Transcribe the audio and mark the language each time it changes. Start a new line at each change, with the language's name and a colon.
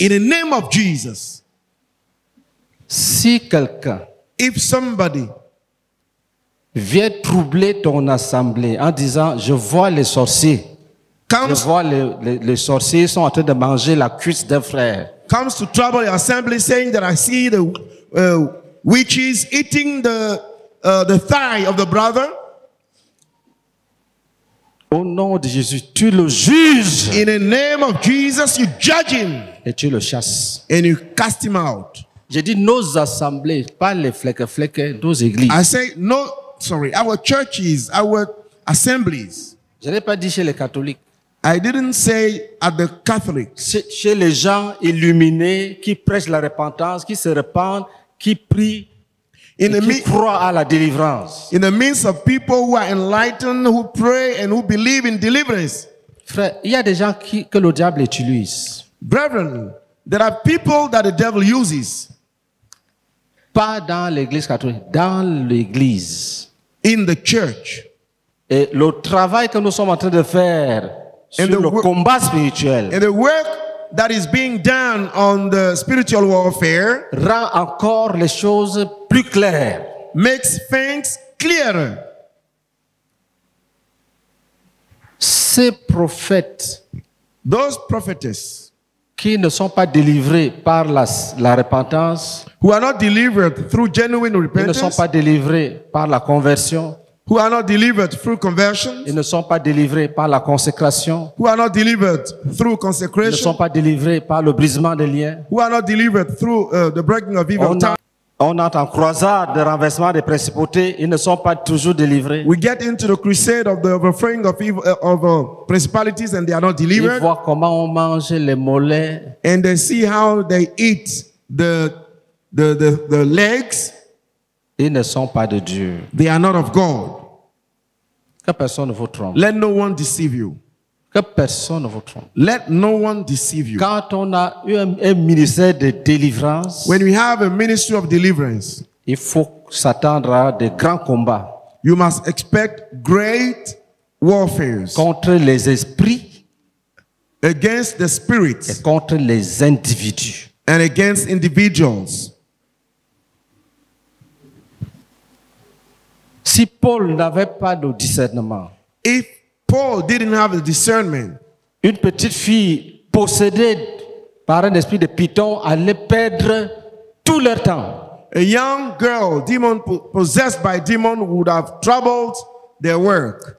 English: In the name of Jesus.
French: Si quelqu'un,
English: if somebody,
French: vient troubler ton assemblée en disant je vois les sorciers,
English: comes,
French: je vois les sorciers sont en train de manger la cuisse d'un frère.
English: Comes to trouble your assembly saying that I see the which is eating the thigh of the brother.
French: Au nom de Jésus, tu le juges.
English: In the name of Jesus, you judge him.
French: Et tu le chasses.
English: And you cast him out.
French: J'ai dit nos assemblées, pas les fleques, nos églises.
English: I say no, sorry, our churches, our assemblies.
French: Je n'ai pas dit chez les catholiques.
English: I didn't say at the Catholics.
French: Chez les gens illuminés qui prêchent la repentance, qui se repentent, qui prie,
English: in the
French: qui croit à la délivrance.
English: In the midst of people who are enlightened, who pray and who believe in deliverance.
French: Frère, il y a des gens que le diable utilise.
English: Brethren, there are people that the devil uses.
French: Pas dans l'église catholique, dans l'église.
English: In the church.
French: Et le travail que nous sommes en train de faire sur le combat spirituel.
English: And the work that is being done on the spiritual warfare
French: rend encore les choses plus claires.
English: Makes things clearer.
French: Ces prophètes,
English: those prophetess,
French: qui ne sont pas délivrés par la repentance,
English: who are not delivered through genuine repentance,
French: ne sont pas délivrés par la conversion,
English: who are not delivered through conversion,
French: ils ne sont pas délivrés par la consécration,
English: who are not delivered through consecration,
French: ils ne sont pas délivrés par le brisement des liens,
English: who are not delivered through the breaking of evil ties.
French: On entre en croisade de renversement des principautés, ils ne sont pas toujours délivrés.
English: We get into the crusade of the overthrowing of evil, of principalities, and they are not delivered.
French: Ils voient comment on mange les mollets.
English: And they see how they eat the legs.
French: Ils ne sont pas de Dieu.
English: They are not of God.
French: Que personne ne vous trompe.
English: Let no one deceive you.
French: Que personne ne vous trompe.
English: Let no one deceive you.
French: Quand on a eu un ministère de délivrance,
English: when we have a ministry of deliverance,
French: il faut s'attendre à de grands combats.
English: You must expect great warfares
French: contre les esprits,
English: against the spirits,
French: et contre les individus,
English: and against individuals.
French: Si Paul n'avait pas de discernement,
English: if Paul didn't have a discernment,
French: une petite fille possédée par un esprit de python allait perdre tout leur temps.
English: A young girl, demon possessed by demon, would have troubled their work.